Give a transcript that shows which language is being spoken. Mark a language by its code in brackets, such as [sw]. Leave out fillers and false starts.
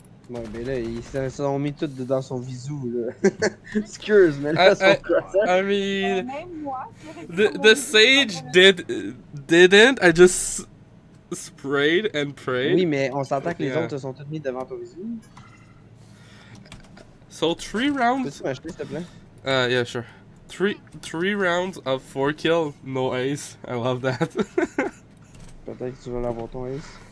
[fr] Ouais, mais là, ils sont mis toutes dans son visou, là. Excuse, mais là, son [en] crosshair. I mean. [fr] Même moi, [en] the sage didn't, I just sprayed and prayed. [fr] Oui, mais on s'entend que les autres se sont toutes mis devant ton visou. [en] So, 3 rounds. [fr] Peux-tu m'acheter, s'il te plaît? [en] Yeah, sure. Three rounds of 4 kills, no ace. I love that. [fr] Peut-être que tu veux l'avoir ton ace.